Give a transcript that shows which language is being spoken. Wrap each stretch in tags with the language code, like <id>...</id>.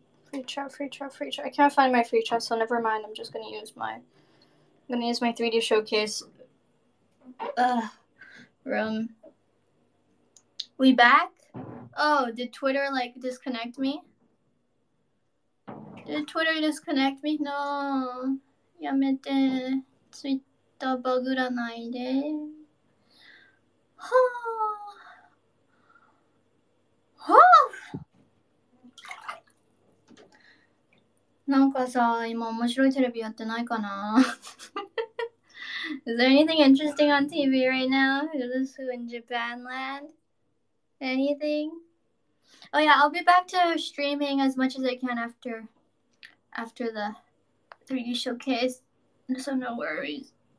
<en>Free chat, free chat, free chat. I can't find my free chat, so never mind. I'm just gonna use my, I'm gonna use my 3D showcase. Room. We back? Oh, did Twitter like disconnect me? Did Twitter disconnect me?</en> <ja>No. やめて。 Twitter バグらないで。はあ。はあ。なんかさ、今面白いテレビやってないかな。</ja> <en>Is there anything interesting on TV right now? Is this in Japan land? Anything? Oh yeah, I'll be back to streaming as much as I can after the 3D showcase. So no worries.</en>